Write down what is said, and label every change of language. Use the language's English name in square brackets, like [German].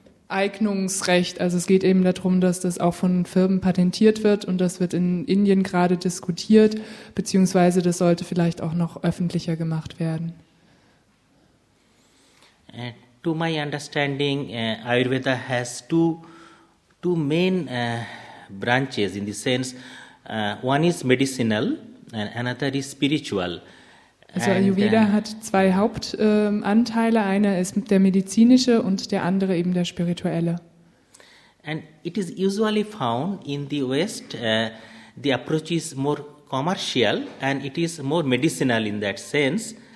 [German] Eignungsrecht, also es geht eben darum, dass das auch von Firmen patentiert wird und das wird in Indien gerade diskutiert, beziehungsweise das sollte vielleicht auch noch öffentlicher gemacht werden. [English] To my understanding, Ayurveda has two main branches in the sense, one is medicinal and another is spiritual. [German] Also Ayurveda hat zwei Hauptanteile, einer ist der medizinische und der andere eben der spirituelle. [English] And it is usually found in the West, the approach is more commercial and it is more medicinal in that sense.